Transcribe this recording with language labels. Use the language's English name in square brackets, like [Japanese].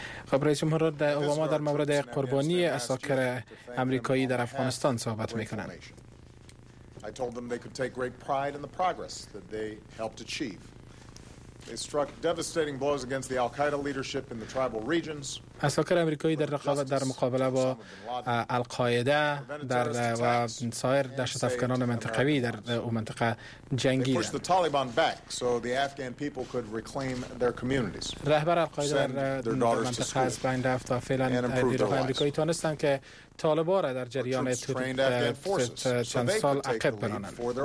[Persian] خب رئیس جمهور اوباما در مورد قربانی عساکر امریکایی در افغانستان صحبت میکنند. [English] I told them they could take great pride in the progress that they helped achieve. They struck devastating blows against the Al-Qaeda leadership in the tribal regions. [Persian] عساکر آمریکایی در رقابت در مقابله با القاعده در و سایر دهشت افکنان منطقوی در او منطقه جنگیدند. [English] They pushed the Taliban back so the Afghan people could reclaim their communities. [Persian] رهبر القاعده در منطقه از بین رفت و فعلا نیروهای آمریکایی توانستند که طالبان را در جریان چند سال عقب برانند.